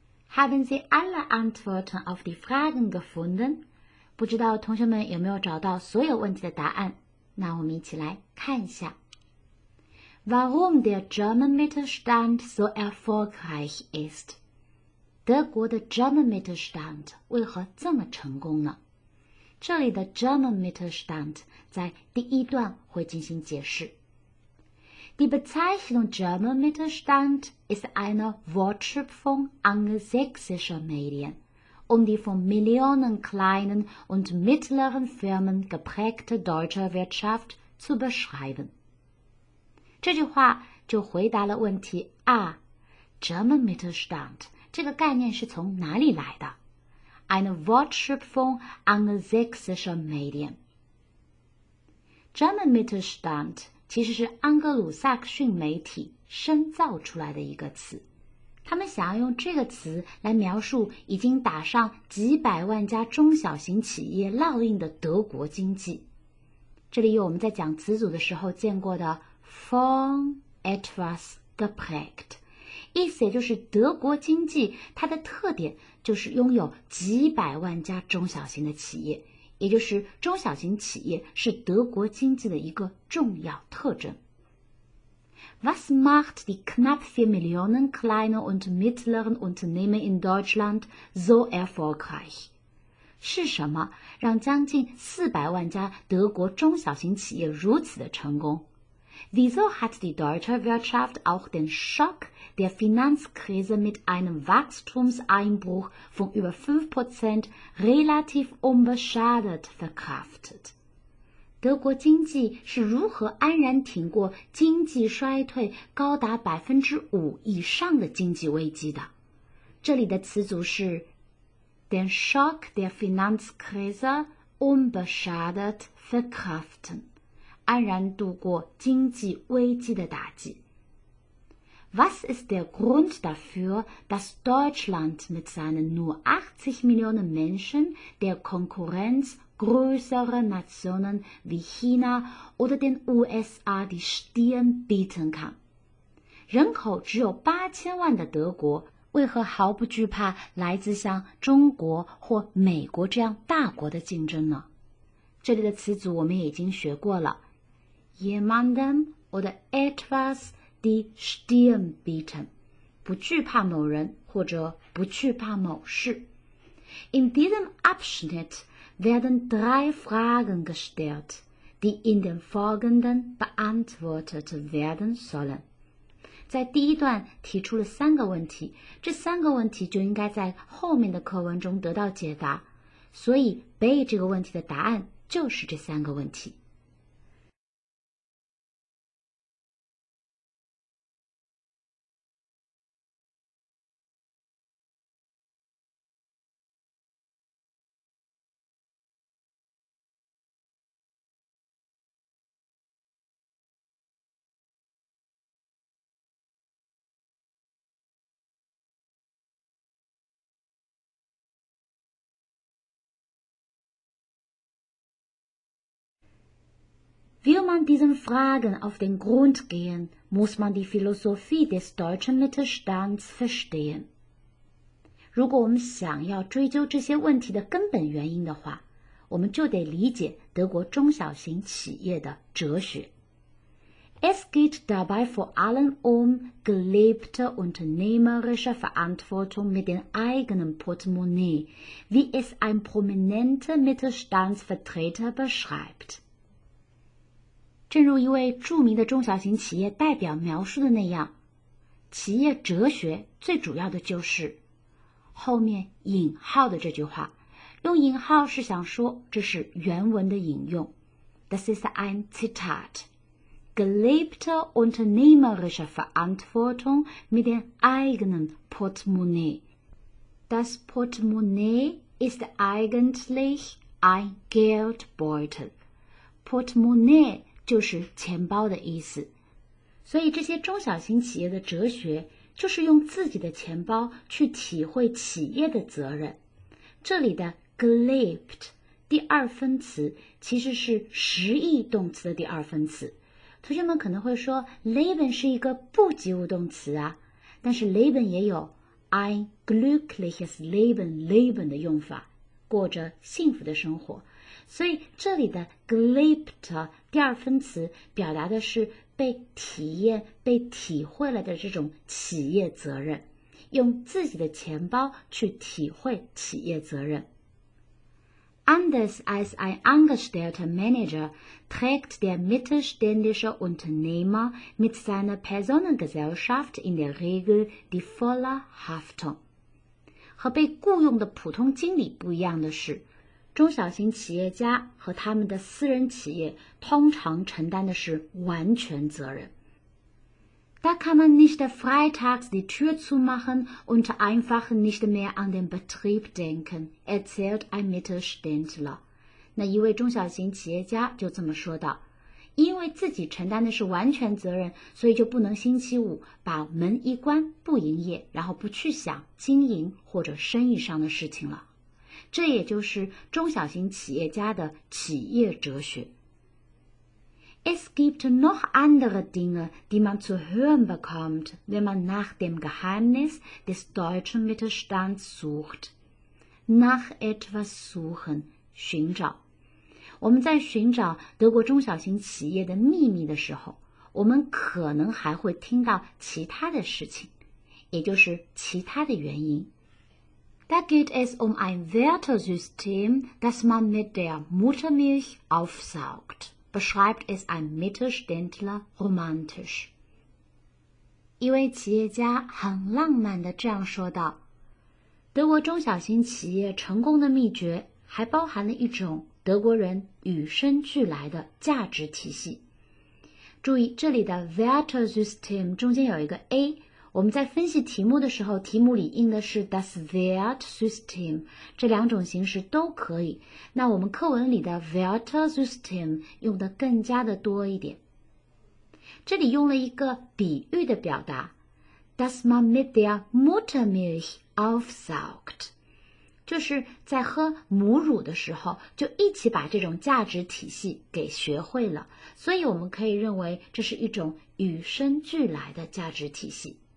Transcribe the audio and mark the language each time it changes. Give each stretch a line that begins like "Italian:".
German: Haben Sie alle Antworten auf die Fragen gefunden?
Chinese: 不知道同学们有没有找到所有问题的答案？那我们一起来看一下。
German: Warum der German Mittelstand so erfolgreich ist?
Chinese: 德国的 German Mittelstand 为何这么成功呢？这里的 German Mittelstand 在第一段会进行解释。
German: Die Bezeichnung German Mittelstand ist eine Wortschöpfung angelsächsischer Medien, um die von Millionen kleinen und mittleren Firmen geprägte deutsche Wirtschaft zu beschreiben.
Chinese: 这句话就回答了问题啊 German Mittelstand 这个概念是从哪里来的
German: Eine Wortschöpfung angelsächsischer Medien.
Chinese: German Mittelstand其实是安格鲁萨克逊媒体深造出来的一个词，他们想要用这个词来描述已经打上几百万家中小型企业烙印的德国经济。这里有我们在讲词组的时候见过的
German: von etwas geprägt，
Chinese: 意思也就是德国经济它的特点就是拥有几百万家中小型的企业。也就是中小型企业是德国经济的一个重要特征。
German: Was macht die knapp 4 Millionen kleine und mittleren Unternehmen in Deutschland so erfolgreich?
Chinese: 是什么让将近400万家德国中小型企业如此的成功？
German: Wieso hat die deutsche Wirtschaft auch den Schock der Finanzkrise mit einem Wachstumseinbruch von über 5% relativ unbeschadet verkraftet.
Chinese: 德国经济是如何安然挺过经济衰退高达 5% 以上的经济危机的？这里的词组是
German: den Schock der Finanzkrise unbeschadet verkraften，
Chinese: 安然度过经济危机的打击。
German: Was ist der Grund dafür, dass Deutschland mit seinen nur 80 Millionen Menschen der Konkurrenz größerer Nationen wie China oder den USA die Stirn bieten kann?
Chinese: 人口只有八千万的德国，为何毫不惧怕来自像中国或美国这样大国的竞争呢？这里的词组我们已经学过了
German: ，jemanden oder etwas。 Die Stirn bieten，
Chinese: 不惧怕某人或者不惧怕某事。
German: In diesem Abschnitt werden drei Fragen gestellt, die in den folgenden beantwortet werden sollen.
Chinese: 在第一段提出了三个问题，这三个问题就应该在后面的课文中得到解答。所以 Bay 这个问题的答案就是这三个问题。
German: Will man diesen Fragen auf den Grund gehen, muss man die Philosophie des deutschen Mittelstands verstehen.
Chinese: 如果我们想要追究这些问题的根本原因的话，我们就得理解德国中小型企业的哲学。
German: Es geht dabei vor allem um gelebte unternehmerische Verantwortung mit dem eigenen Portemonnaie, wie es ein prominenter Mittelstandsvertreter beschreibt.
Chinese: 正如一位著名的中小型企业代表描述的那样，企业哲学最主要的就是，后面引号的这句话，用引号是想说这是原文的引用。
English: This is
German: ein Zitat. Gelebte unternehmerische Verantwortung mit dem eigenen Portemonnaie. Das Portemonnaie ist eigentlich ein Geldbeutel. Portemonnaie.
Chinese: 就是钱包的意思，所以这些中小型企业的哲学就是用自己的钱包去体会企业的责任。这里的 gelebt 第二分词其实是实义动词的第二分词。同学们可能会说 leben 是一个不及物动词啊，但是 leben 也有
German: ein glückliches Leben leben
Chinese: 的用法，过着幸福的生活。所以这里的 glibt 第二分词表达的是被体验、被体会了的这种企业责任，用自己的钱包去体会企业责任。
German: Anders als ein engagierter Manager trägt der mittelständische Unternehmer mit seiner Personengesellschaft in der Regel die volle Haftung.
Chinese: 和被雇佣的普通经理不一样的是，中小型企业家和他们的私人企业通常承担的是完全责任。
German: Da kann man nicht freitags die Tür zumachen und einfach nicht mehr an den Betrieb denken, erzählt ein Mittelständler.
Chinese: 那一位中小型企业家就这么说道，因为自己承担的是完全责任，所以就不能星期五把门一关不营业，然后不去想经营或者生意上的事情了。这也就是中小型企业家的企业哲学。
German: Es gibt noch andere Dinge, die man zu hören bekommt, wenn man nach dem Geheimnis des deutschen Mittelstands sucht. Nach etwas suchen,
Chinese: 寻找。我们在寻找德国中小型企业的秘密的时候，我们可能还会听到其他的事情，也就是其他的原因。
German: Da geht es ein Wertesystem, das man mit der Muttermilch aufsaugt. Beschreibt es ein Mittelständler romantisch.
Chinese: 一位企业家很浪漫地这样说道，德国中小型企业成功的秘诀还包含了一种德国人与生俱来的价值体系。注意这里的 Wertesystem 中间有一个 A， 我们在分析题目的时候，题目里印的是 das Wertesystem， 这两种形式都可以。那我们课文里的 Wertesystem 用的更加的多一点。这里用了一个比喻的表达，
German: dass man mit der Muttermilch aufsaugt，
Chinese: 就是在喝母乳的时候就一起把这种价值体系给学会了，所以我们可以认为这是一种与生俱来的价值体系。